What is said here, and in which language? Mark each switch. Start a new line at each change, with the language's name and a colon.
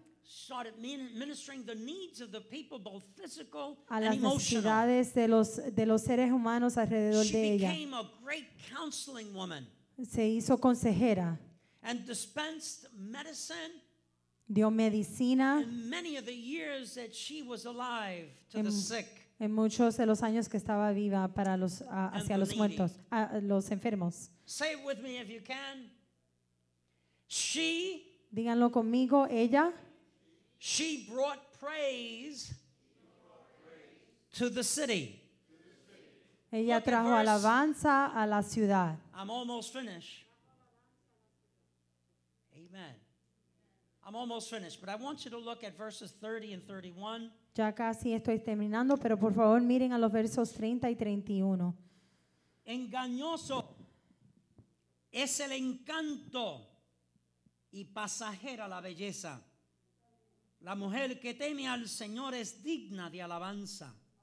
English: Started ministering the needs of the people, both physical and emotional.
Spanish: A las necesidades de los seres humanos alrededor de ella.
English: She became a great counseling woman.
Spanish: Se hizo consejera.
English: And dispensed medicine.
Spanish: Dio medicina.
English: In many of the years that she was alive to the sick.
Spanish: En muchos de los años que estaba viva para los hacia los muertos, a los enfermos.
English: Say it with me if you can. She.
Spanish: Díganlo conmigo. Ella.
English: She brought praise to the city.
Spanish: Ella trajo alabanza a la ciudad.
English: I'm almost finished. Amen. I'm almost finished, but I want you to look at verses 30 and 31.
Spanish: Ya casi estoy terminando, pero por favor miren a los versos 30 y 31. Engañoso es el encanto y pasajera la belleza. La mujer que teme al Señor es digna de alabanza.